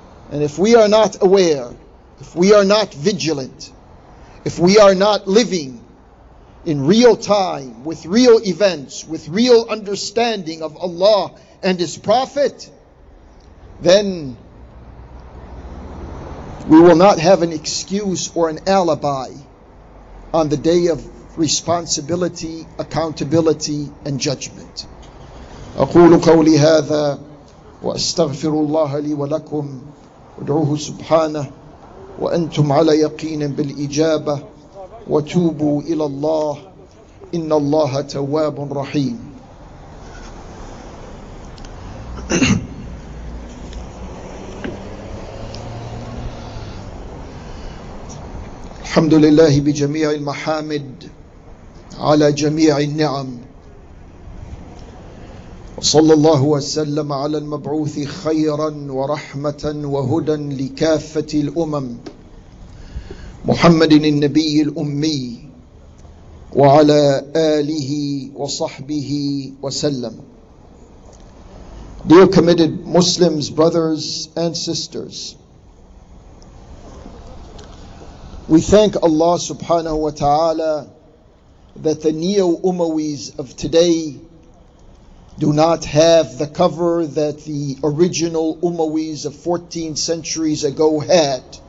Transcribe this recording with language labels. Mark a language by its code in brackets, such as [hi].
[en] And if we are not aware, if we are not vigilant, if we are not living in real time, with real events, with real understanding of Allah and His Prophet, then we will not have an excuse or an alibi on the day of responsibility, accountability, and judgment. [ar] أقول قولي هذا وأستغفر الله لي ولكم وادعوه سبحانه وأنتم على يقين بالإجابة وتوبوا إلى الله إن الله تواب رحيم. الحمد لله بجميع المحامد على جميع النعم صلى الله وسلم على المبعوث خيرا ورحمة وهدى لكافة الأمم محمد النبي الأمي وعلى آله وصحبه وسلم. [en] Dear committed Muslims, brothers and sisters, we thank Allah subhanahu wa ta'ala that the Neo-Umayyads of today do not have the cover that the original Umayyads of 14 centuries ago had.